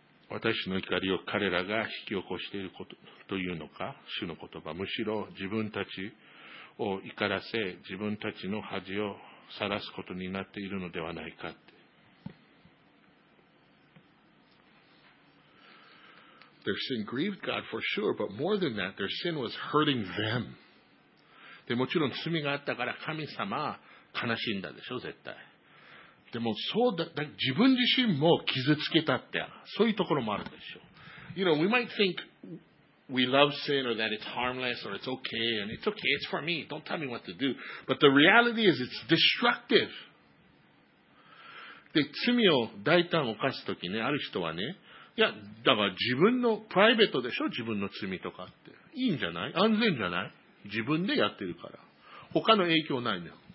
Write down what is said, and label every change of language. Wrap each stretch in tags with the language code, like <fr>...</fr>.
<ja>私の怒りを彼らが引き起こしていることというのか、主の言葉。むしろ自分たちを怒らせ、自分たちの恥を晒すことになっているのではないかって。</ja> <en>Their sin grieved God for sure, but more than that, their sin was hurting them.</en> <ja>で、もちろん罪があったから神様は悲しんだでしょ、絶対。でも、そうだ、だ、自分自身も傷つけたって、そういうところもあるでしょ。</ja> <en>You know, we might think we love sin or that it's harmless or it's okay and it's okay, it's for me, don't tell me what to do. But the reality is it's destructive.</en> <ja>で、罪を大胆犯すときね、ある人はね、いや、だから自分のプライベートでしょ、自分の罪とかって。いいんじゃない？安全じゃない？自分でやってるから。他の影響ないのよ。</ja>